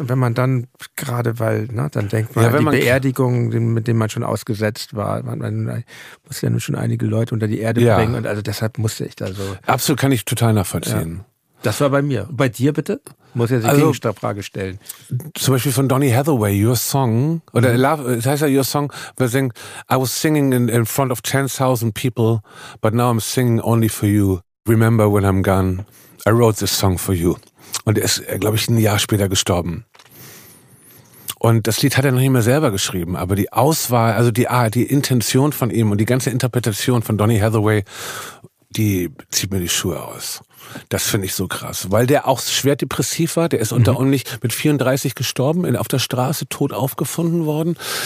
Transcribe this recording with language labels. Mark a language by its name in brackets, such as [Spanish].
[German] Und wenn man dann gerade, weil, ne, dann denkt man, ja, die Beerdigung, mit dem man schon ausgesetzt war, man muss ja nun schon einige Leute unter die Erde bringen. Und also deshalb musste ich da so. Absolut, kann ich total nachvollziehen. Ja. Das war bei mir. Bei dir bitte? Muss ja die Gegenfrage stellen. Zum Beispiel von Donny Hathaway, Your Song. Oder es heißt ja Your Song, wo er singt, [English] I was singing in front of 10,000 people, but now I'm singing only for you. Remember when I'm gone, I wrote this song for you. [German] Und er ist, glaube ich, ein Jahr später gestorben. Und das Lied hat er noch nicht mehr selber geschrieben, aber die Auswahl, also die Intention von ihm und die ganze Interpretation von Donny Hathaway, die zieht mir die Schuhe aus. Das finde ich so krass, weil der auch schwer depressiv war. Der ist unter anderem mit 34 gestorben, auf der Straße tot aufgefunden worden.